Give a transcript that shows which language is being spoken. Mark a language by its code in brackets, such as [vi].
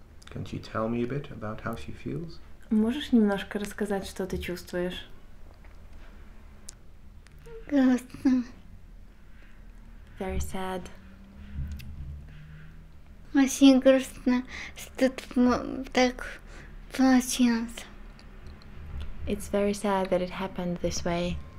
[en] Can she tell me a bit about how she feels? [ru] Можешь немножко рассказать, что ты чувствуешь? Грустно. [en] Very sad. [ru] Очень грустно, что так получилось. [en] It's very sad that it happened this way.